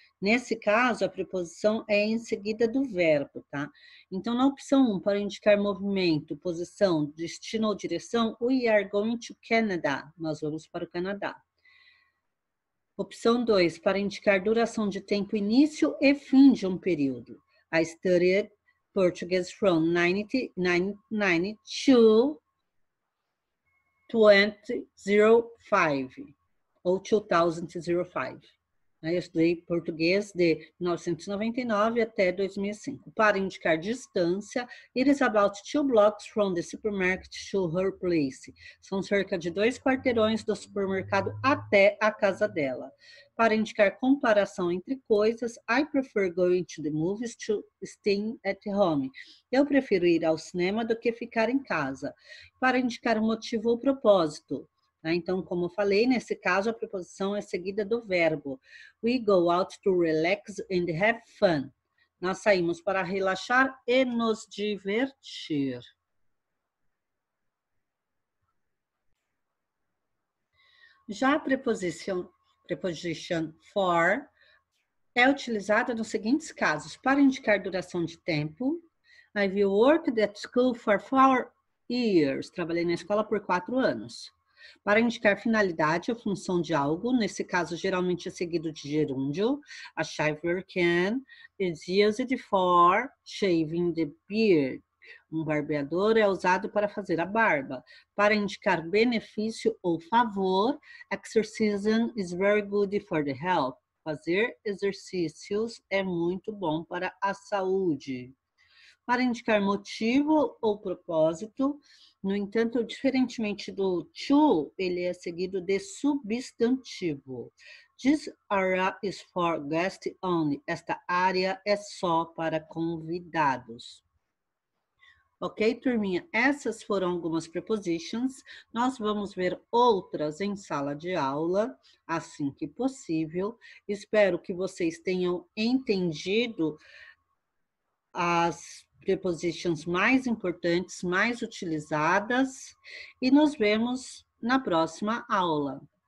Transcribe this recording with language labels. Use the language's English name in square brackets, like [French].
[Portuguese] Nesse caso, a preposição é em seguida do verbo, tá? Então, na opção 1, para indicar movimento, posição, destino ou direção, [English] we are going to Canada. [Portuguese] Nós vamos para o Canadá. Opção 2, para indicar duração de tempo, início e fim de um período. [English] I studied Portuguese from 1992 to 2005. [Portuguese] ou 2005. Aí eu estudei português de 1999 até 2005. Para indicar distância, [English] it is about 2 blocks from the supermarket to her place. [Portuguese] São cerca de 2 quarteirões do supermercado até a casa dela. Para indicar comparação entre coisas, [English] I prefer going to the movies to staying at home. [Portuguese] Eu prefiro ir ao cinema do que ficar em casa. Para indicar um motivo ou propósito. Então, como eu falei, nesse caso, a preposição é seguida do verbo. [English] We go out to relax and have fun. [Portuguese] Nós saímos para relaxar e nos divertir. Já a preposition for é utilizada nos seguintes casos. Para indicar duração de tempo, [English] I have worked at school for 4 years. [Portuguese] Trabalhei na escola por 4 anos. Para indicar finalidade ou função de algo, nesse caso, geralmente é seguido de gerúndio. [English] A shaver can is used for shaving the beard. [Portuguese] Um barbeador é usado para fazer a barba. Para indicar benefício ou favor, [English] exercising is very good for the health. [Portuguese] Fazer exercícios é muito bom para a saúde. Para indicar motivo ou propósito, no entanto, diferentemente do to, ele é seguido de substantivo. [English] This area is for guests only. [Portuguese] Esta área é só para convidados. Ok, turminha? Essas foram algumas prepositions. Nós vamos ver outras em sala de aula, assim que possível. Espero que vocês tenham entendido as prepositions mais importantes, mais utilizadas, e nos vemos na próxima aula.